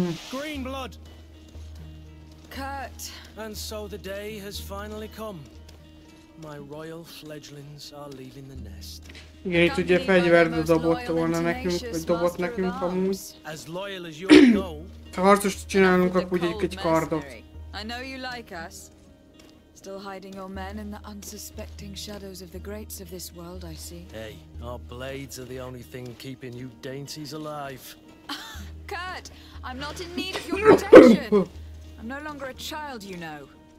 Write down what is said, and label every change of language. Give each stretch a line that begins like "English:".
English: Green blood! Kurt! And so the day has finally come. My royal fledglings are leaving the nest.
Hungarian: Igen, itt ugye fegyverbe dobott volna nekünk, vagy dobott nekünk amúgy.
English: As loyal as you know.
Hungarian: Ha harcost csinálunk, akkor ugye egy kardot.
English: I know you like us. Still hiding your men in the unsuspecting shadows of the greats of this world, I see. Hey, our blades are the only thing keeping you dainties alive. Kurt, I'm not in need of your protection. I'm no longer a child, you know.